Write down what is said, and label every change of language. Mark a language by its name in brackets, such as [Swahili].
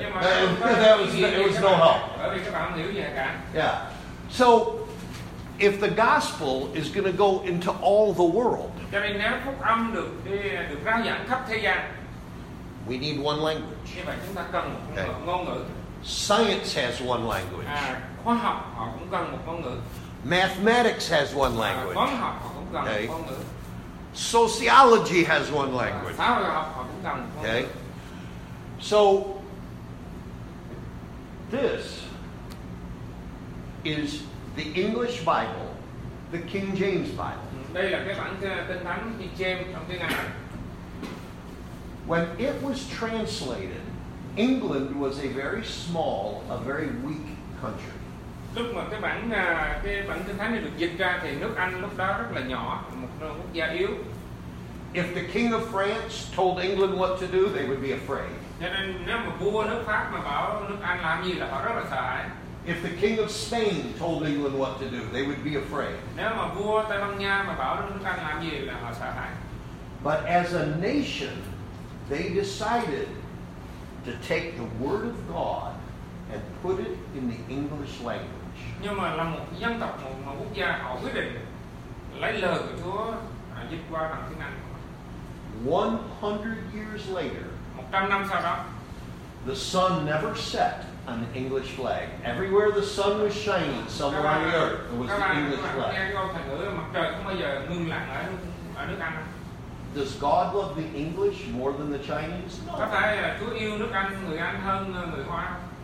[English] It was no help. Yeah. So, if the gospel is going to go into all the world, we need one language. Okay. Science has one language. [Vietnamese] Khoa học họ cũng cần một ngôn ngữ. [English] Mathematics has one language. [Vietnamese] Toán học họ cũng cần một ngôn ngữ. [English] Sociology has one language. [Vietnamese] Xã hội học họ cũng cần một ngôn ngữ. [English] So this is the English Bible, the King James Bible. [Vietnamese] Đây là cái bản Kinh Thánh King James trong tiếng Anh. [English] When it was translated, England was a very weak country. [Vietnamese] Lúc mà cái bản Kinh Thánh này được dịch ra thì nước Anh lúc đó rất là nhỏ, một quốc gia yếu. [English] If the King of France told England what to do, they would be afraid. [Vietnamese] Cho nên nếu mà vua nước Pháp mà bảo nước Anh làm gì là họ rất là sợ hãi. [English] If the King of Spain told England what to do, they would be afraid. [Vietnamese] Nếu mà vua Tây Ban Nha mà bảo nước Anh làm gì là họ sợ hãi. [English] But as a nation, they decided to take the word of God and put it in the English language. [Vietnamese] Nhưng mà là một dân tộc, một quốc gia, họ quyết định lấy lời của Chúa dịch qua bằng tiếng Anh. [English] 100 years later, [Vietnamese] 100 năm sau đó, [English] the sun never set on the English flag. Everywhere the sun was shining, somewhere on the earth, it was the English flag. [Vietnamese] Các bạn nghe câu thành ngữ mặt trời không bao giờ ngưng lặng ở nước Anh. [English] Does God love the English more than the Chinese? No. [Vietnamese] Có phải là Chúa yêu nước Anh, người Anh hơn người Hoa?